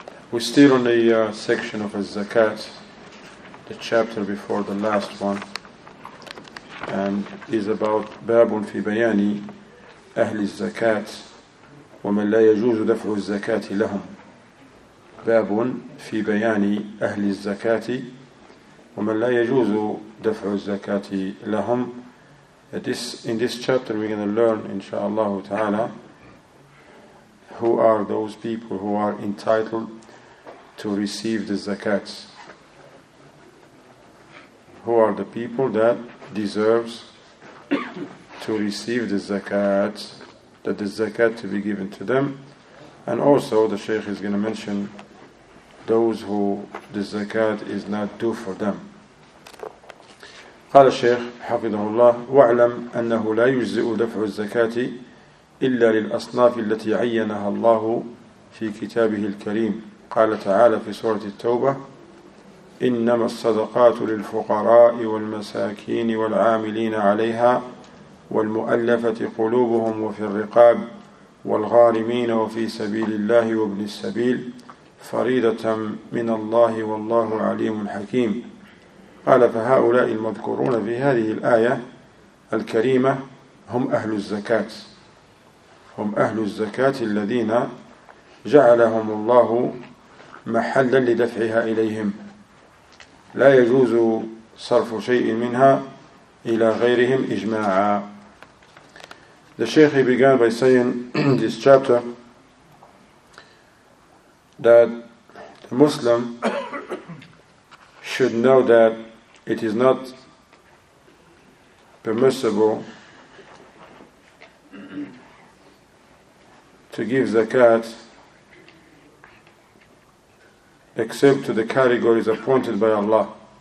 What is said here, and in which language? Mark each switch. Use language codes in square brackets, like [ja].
[en] We're still on the section of al-zakat, the chapter before the last one, and is about babun fi bayani [ar] أهل الزكاة ومن لا يجوز دفع الزكاة لهم. باب في بيان أهل الزكاة ومن لا يجوز دفع الزكاة لهم. [en] In this chapter we're going to learn inshallah ta'ala who are those people who are entitled to receive the zakat, who are the people that deserves to receive the zakat, that the zakat to be given to them. And also the Shaykh is going to mention those who the zakat is not due for them. [ar] قال الشيخ حفظه الله واعلم أنه لا يجزئ دفع الزكاة إلا للأصناف التي عينها الله في كتابه الكريم. قال تعالى في سورة التوبة إنما الصدقات للفقراء والمساكين والعاملين عليها والمؤلفة قلوبهم وفي الرقاب والغارمين وفي سبيل الله وابن السبيل فريضة من الله والله عليم حكيم. قال فهؤلاء المذكورون في هذه الآية الكريمة هم أهل الزكاة، هم أهل الزكاة الذين جعلهم الله محلا لدفعها إليهم، لا يجوز صرف شيء منها إلى غيرهم إجماعا. [en] The Shaykh, he began by saying in this chapter that the Muslim should know that it is not permissible to give zakat except to the categories appointed by Allah.